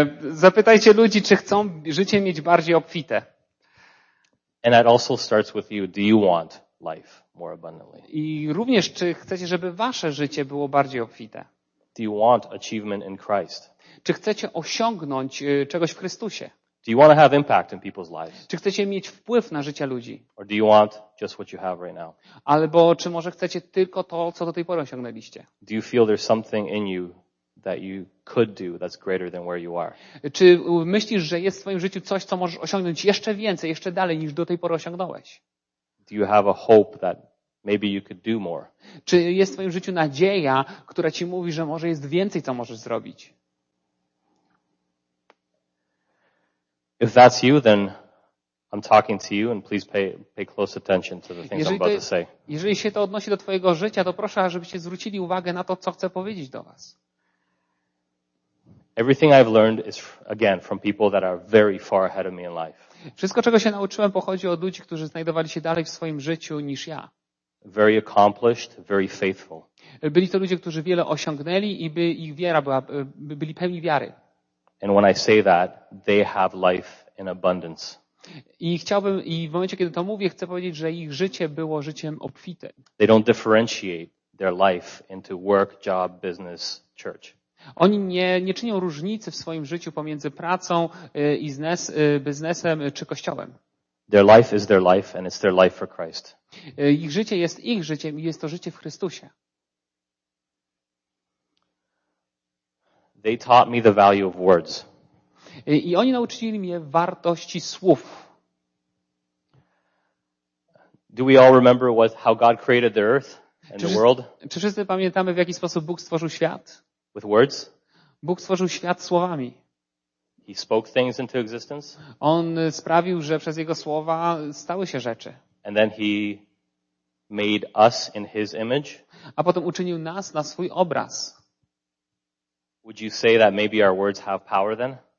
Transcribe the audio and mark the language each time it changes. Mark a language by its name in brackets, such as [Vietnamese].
[Polish] Zapytajcie ludzi, czy chcą życie mieć bardziej obfite. [English] And that also starts with you. Do you want life more abundantly? [Polish] I również, czy chcecie, żeby wasze życie było bardziej obfite? [English] Do you want achievement in Christ? [Polish] Czy chcecie osiągnąć czegoś w Chrystusie? [English] Do you want to have impact in people's lives? [Polish] Czy chcecie mieć wpływ na życie ludzi? [English] Or do you want just what you have right now? [Polish] Albo czy może chcecie tylko to, co do tej pory osiągnęliście? [English] Do you feel there's something in you that you could do that's greater than where you are? [Polish] Czy myślisz, że jest w twoim życiu coś, co możesz osiągnąć jeszcze więcej, jeszcze dalej niż do tej pory osiągnąłeś? [English] Do you have a hope that maybe you could do more? [Polish] Czy jest w twoim życiu nadzieja, która ci mówi, że może jest więcej, co możesz zrobić? [English] If that's you, then I'm talking to you and please pay close attention to the things I'm about to say. [Polish] Jeżeli się to odnosi do twojego życia, to proszę, żebyście zwrócili uwagę na to, co chcę powiedzieć do was. [English] Everything I've learned is again from people that are very far ahead of me in life. [Polish] Wszystko, czego się nauczyłem, pochodzi od ludzi, którzy znajdowali się dalej w swoim życiu niż ja. [English] Very accomplished, very faithful. [Polish] Byli to ludzie, którzy wiele osiągnęli i by ich wiara była, byli pełni wiary. [English] And when I say that, they have life in abundance. [Polish] I w momencie, kiedy to mówię, chcę powiedzieć, że ich życie było życiem obfite. [English] They don't differentiate their life into work, job, business, church. [Polish] Oni nie czynią różnicy w swoim życiu pomiędzy pracą, biznesem czy kościołem. [English] Their life is their life and it's their life for Christ. [Polish] Ich życie jest ich życiem i jest to życie w Chrystusie. [English] They taught me the value of words. [Polish] I oni nauczyli mnie wartości słów. [English] Do we all remember what, how God created the earth and the world? [Polish] Czy wszyscy pamiętamy, w jaki sposób Bóg stworzył świat? [English] With words? [Polish] Bóg stworzył świat słowami. [English] He spoke things into existence. [Polish] On sprawił, że przez jego słowa stały się rzeczy. [English] And then he made us in his image. [Polish] A potem uczynił nas na swój obraz. [English] Would you say that maybe our words have power then?